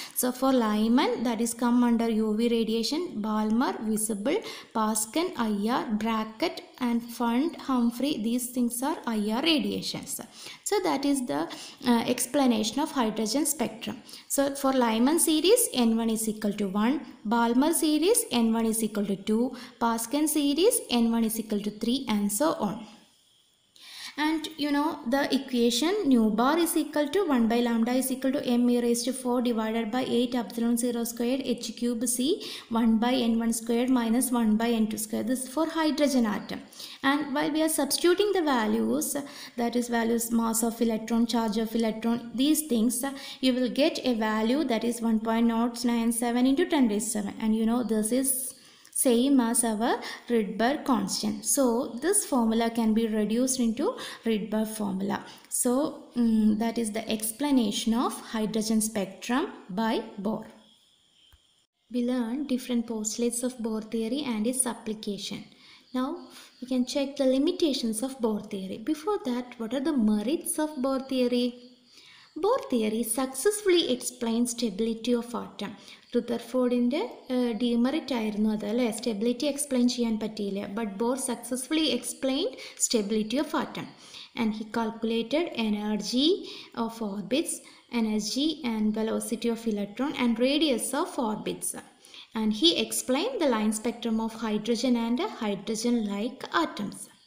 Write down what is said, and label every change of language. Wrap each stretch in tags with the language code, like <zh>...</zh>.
<en>So for Lyman that is come under U V radiation, Balmer visible, Paschen I R, bracket and Pfund Humphrey, these things are I R radiations. So that is the explanation of hydrogen spectrum. So for Lyman series n one is equal to one, Balmer series n one is equal to two, Paschen series n one is equal to three and so on. And you know the equation nu bar is equal to 1 by lambda is equal to m e raised to 4 divided by 8 epsilon 0 squared h cube c 1 by n1 squared minus 1 by n2 squared. This is for hydrogen atom. And while we are substituting the values, that is values mass of electron, charge of electron, these things, you will get a value that is 1.097 into 10 raised 7. And you know this is same as our Rydberg constant. So this formula can be reduced into Rydberg formula. So that is the explanation of hydrogen spectrum by Bohr. We learned different postulates of Bohr theory and its application. Now we can check the limitations of Bohr theory. Before that, what are the merits of Bohr theory? Bohr theory successfully explains stability of atom.</en> <ml>റദർഫോർഡിൻ്റെ demerit ആയിരുന്നു അത് അല്ലേ, stability explain ചെയ്യാൻ പറ്റിയില്ല.</ml> <en>But Bohr successfully explained stability of atom and he calculated energy of orbits, energy and velocity of electron and radius of orbits and he explain the line spectrum of hydrogen and hydrogen like atoms.</en>